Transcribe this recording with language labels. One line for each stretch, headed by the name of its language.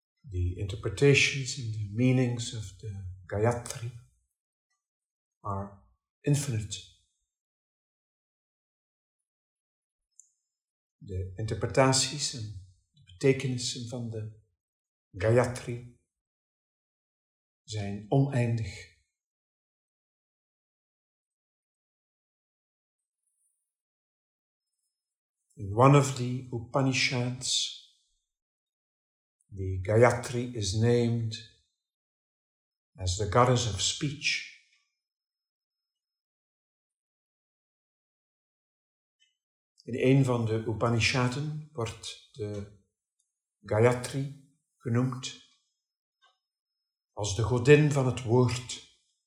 English: the interpretations and the meanings of the Gayatri are infinite.
Dutch: The interpretaties and the betekenissen van de Gayatri zijn oneindig.
English: In one of the Upanishads, the Gayatri is named as the goddess of speech.
Dutch: In een van de Upanishaden wordt de Gayatri genoemd als de godin van het woord.